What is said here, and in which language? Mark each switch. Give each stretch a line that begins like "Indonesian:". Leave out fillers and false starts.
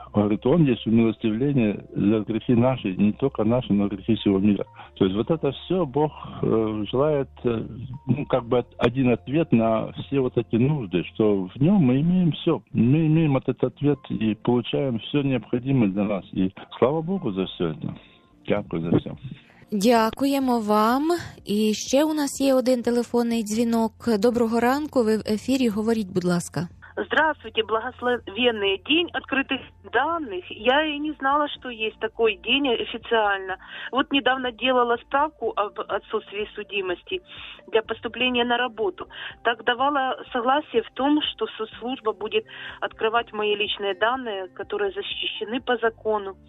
Russian: Он говорит, он есть умилостивление за грехи наши, не только наши, но и грехи всего мира. То есть вот это все Бог желает, ну, как бы один ответ на все вот эти нужды, что в нем мы имеем все. Мы имеем этот ответ и получаем все необходимое для нас. И слава Богу за все это.
Ukrainian: Дякую за все. Дякуємо вам. І ще у нас є один телефонний дзвінок. Доброго ранку, ви в ефірі, говоріть, будь ласка.
Russian: Здравствуйте, благословенный день открытых данных. Я и не знала, что есть такой день официально. Вот недавно делала справку об отсутствии судимости для поступления на работу. Так давала согласие в том, что соцслужба будет открывать мои личные данные, которые защищены по закону.